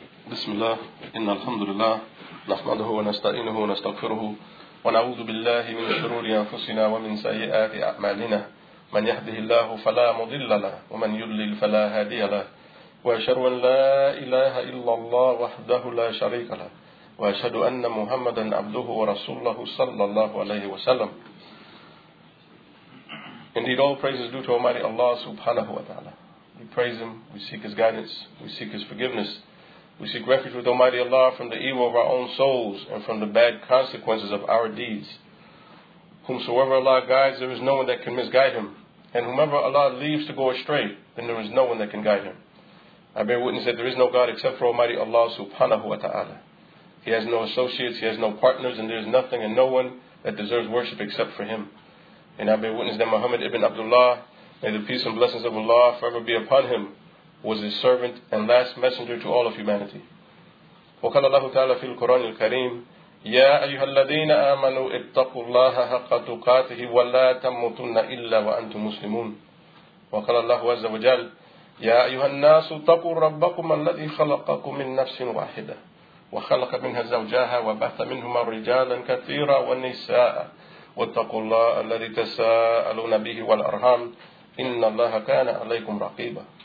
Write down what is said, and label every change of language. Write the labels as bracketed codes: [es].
[ar] بسم الله إن الحمد لله نحمده ونستعينه ونستغفره ونعوذ بالله من شرور أنفسنا ومن سيئات أعمالنا من يهده الله فلا مضل له ومن يضلل فلا هادي له وأشهد أن لا إله إلا الله وحده لا شريك له وأشهد أن محمدا عبده ورسوله صلى الله عليه وسلم. [en] Indeed, all praises due to Almighty Allah subhanahu wa ta'ala. We praise Him, we seek His guidance, we seek His forgiveness. We seek refuge with Almighty Allah from the evil of our own souls and from the bad consequences of our deeds. Whomsoever Allah guides, there is no one that can misguide him. And whomever Allah leaves to go astray, then there is no one that can guide him. I bear witness that there is no God except for Almighty Allah subhanahu wa ta'ala. He has no associates, he has no partners, and there is nothing and no one that deserves worship except for him. And I bear witness that Muhammad ibn Abdullah, may the peace and blessings of Allah forever be upon him, was his servant and last messenger to all of humanity. [ar] وقال الله تعالى في القرآن الكريم يا أيها الذين آمنوا اتقوا الله حق تقاته ولا تموتن إلا وأنتم مسلمون. وقال الله عز وجل يا أيها الناس اتقوا ربكم الذي خلقكم من نفس واحدة وخلق منها زوجها وبث منهما رجالا كثيرا ونساء واتقوا الله الذي تساءلون به والأرحام إن الله كان عليكم رقيبا.